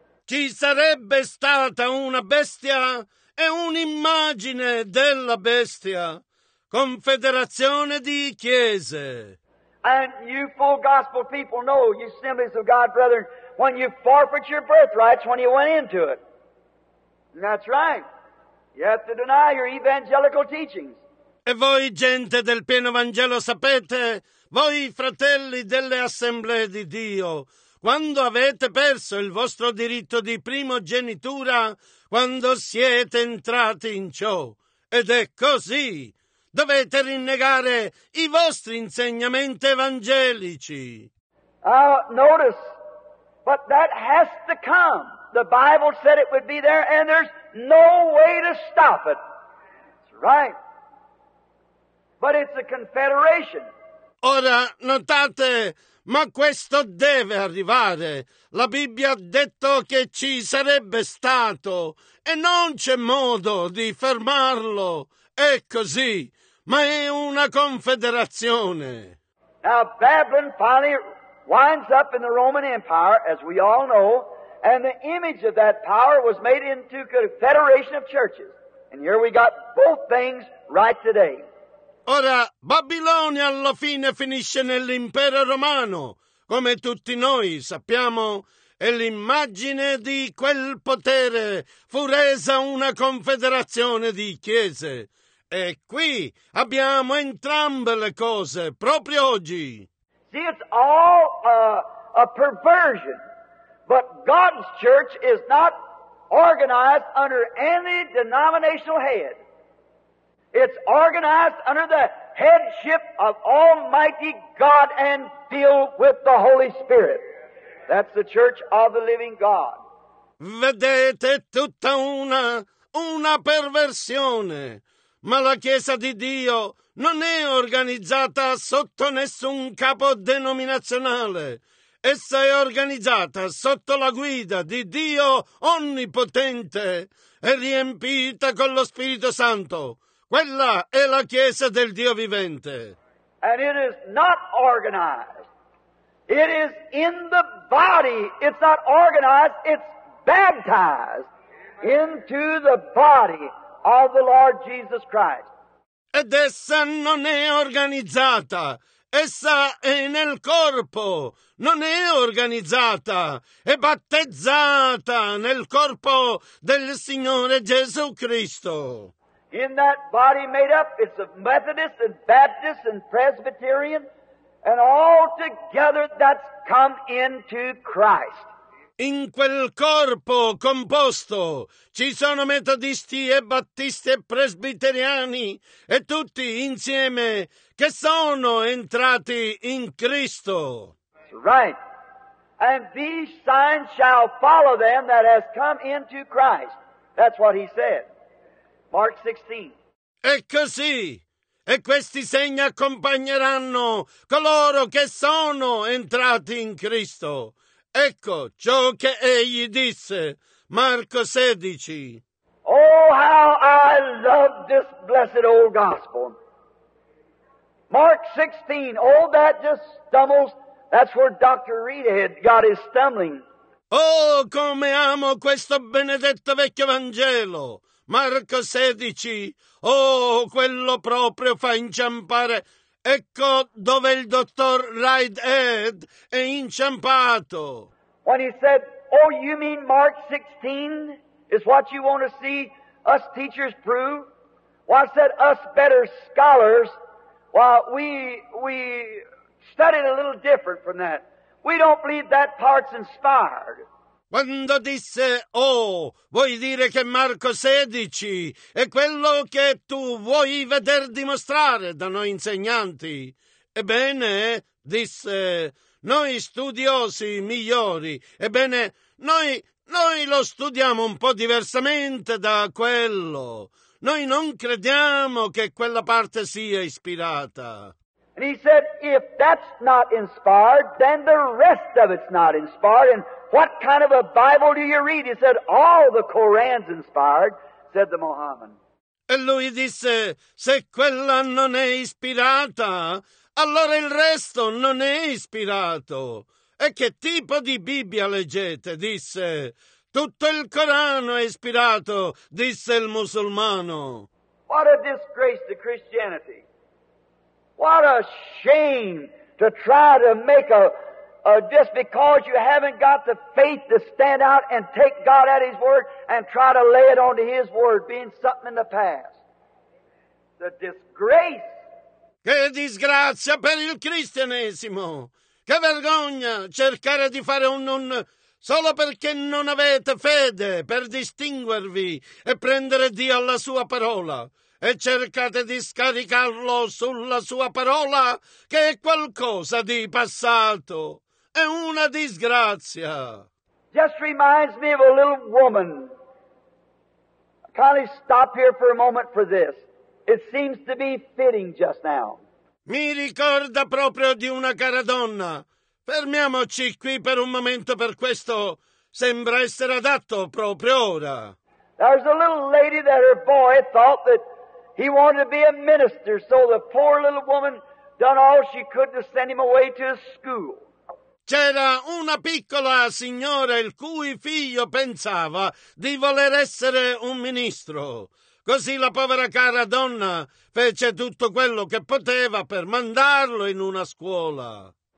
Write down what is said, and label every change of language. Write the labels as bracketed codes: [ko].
[it] Ci sarebbe stata una bestia e un'immagine della bestia. Confederazione di Chiese. [en] And you full gospel people know, you assemblies of God brethren, when you forfeit your birthrights when you went into it. And that's right. You have to deny your evangelical teachings. [it] E voi, gente del pieno Vangelo, sapete, voi fratelli delle assemblee di Dio, quando avete perso il vostro diritto di primogenitura, quando siete entrati in ciò, ed è così, dovete rinnegare i vostri insegnamenti evangelici. [en] Notice, but that has to come. The Bible said it would be there, and there's no way to stop it. That's right. But it's a confederation. [it] Ora, notate, ma questo deve arrivare. La Bibbia ha detto che ci sarebbe stato, e non c'è modo di fermarlo. È così, ma è una confederazione. [en] Now, Babylon finally winds up in the Roman Empire, as we all know, and the image of that power was made into a confederation of churches. And here we got both things right today. [it] Ora, Babilonia alla fine finisce nell'impero romano, come tutti noi sappiamo, e l'immagine di quel potere fu resa una confederazione di chiese. E qui abbiamo entrambe le cose, proprio oggi. [en] See, it's all a perversion, but God's church is not organized under any denominational head. It's organized under the headship of Almighty God and filled with the Holy Spirit. That's the Church of the Living God. [it] Vedete, tutta una perversione. Ma la Chiesa di Dio non è organizzata sotto nessun capo denominazionale. Essa è organizzata sotto la guida di Dio Onnipotente e riempita con lo Spirito Santo. Quella è la Chiesa del Dio vivente. [en] And it is not organized. It is in the body. It's not organized. It's baptized into the body of the Lord Jesus Christ. [it] Ed essa non è organizzata. Essa è nel corpo. Non è organizzata. È battezzata nel corpo del Signore Gesù Cristo. [en] In that body made up, it's of Methodists and Baptists and Presbyterians, and all together that's come into Christ. [it] In quel corpo composto ci sono metodisti e battisti e presbiteriani e tutti insieme che sono entrati in Cristo. [en] Right. And these signs shall follow them that has come into Christ. That's what he said. Mark 16. [it] E così, e questi segni accompagneranno coloro che sono entrati in Cristo. Ecco ciò che egli disse, Marco 16. [en] Oh, how I love this blessed old gospel. Mark 16, oh, that just stumbles, that's where Dr. Reed had got his stumbling. [it] Oh, come amo questo benedetto vecchio Vangelo. Marco 16, oh, quello proprio fa inciampare. Ecco dove il dottor Reidhead è inciampato. [en] When he said, oh, you mean Mark 16 is what you want to see us teachers prove? Well, I said, us better scholars, well, we studied a little different from that. We don't believe that part's inspired. [it] Quando disse, oh, vuoi dire che Marco 16 è quello che tu vuoi veder dimostrare da noi insegnanti? Ebbene, disse, noi studiosi migliori, ebbene, noi lo studiamo un po' diversamente da quello. Noi non crediamo che quella parte sia ispirata. [en] And he said, if that's not inspired, then the rest of it's not inspired. And what kind of a Bible do you read? He said, all the Koran's inspired, said the Mohammedan. [it] E lui disse, se quella non è ispirata, allora il resto non è ispirato. E che tipo di Bibbia leggete? Disse, tutto il Corano è ispirato, disse il musulmano. [en] What a disgrace to Christianity. What a shame to try to make a just because you haven't got the faith to stand out and take God at His Word and try to lay it onto His Word, being something in the past. The disgrace. [it] Che disgrazia per il cristianesimo! Che vergogna cercare di fare un non solo perché non avete fede per distinguervi e prendere Dio alla sua parola e cercate di scaricarlo sulla sua parola che è qualcosa di passato, è una disgrazia. [en] Just reminds me of a little woman. I'll kindly stop here for a moment for this. It seems to be fitting just now. [it] Mi ricorda proprio di una cara donna. Fermiamoci qui per un momento per questo. Sembra essere adatto proprio ora. [en] There's a little lady that her boy thought that he wanted to be a minister, so the poor little woman done all she could to send him away to his school. [it] C'era una piccola signora il cui figlio pensava di voler essere un ministro. Così la povera cara donna fece tutto quello che poteva per mandarlo in una scuola.